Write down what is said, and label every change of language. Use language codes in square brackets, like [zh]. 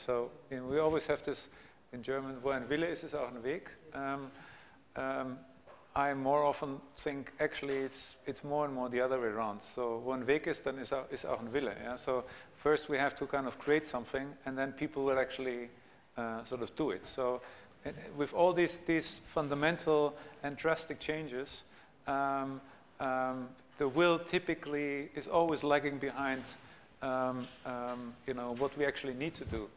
[en] So we always have this in German, [de] wo ein Wille ist, ist auch ein Weg. [en] I more often think actually it's more and more the other way around. [de] So one Weg ist, dann ist auch ein Wille. [en] Yeah? So first we have to kind of create something and then people will actually sort of do it. So with all these fundamental and drastic changes, the will typically is always lagging behind what we actually need to do.